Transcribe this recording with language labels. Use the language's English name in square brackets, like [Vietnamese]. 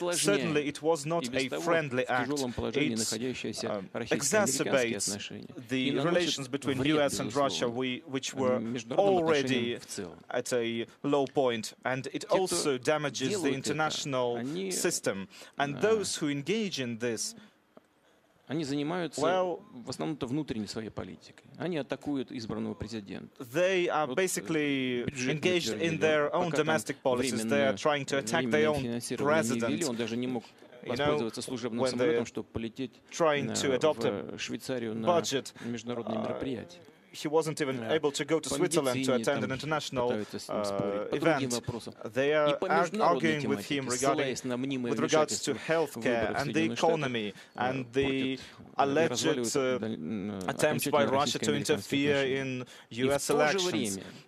[English] Certainly, it was not a friendly act. It exacerbates the relations between U.S. and Russia, which were already at a low point, and it also damages the international system. And those who engage in this, [Russian] они занимаются в основном-то внутренней своей политикой. Они атакуют избранного президента. [English] They are basically engaged in their own domestic policies. They are trying to attack their own president. [Russian] Он даже не мог воспользоваться служебным самолетом, чтобы полететь в Швейцарию на международные мероприятия. [English] he wasn't even able to go to Switzerland to attend an international event. They are arguing with him with regards to healthcare and the economy and the alleged attempts by Russia to interfere in U.S. elections.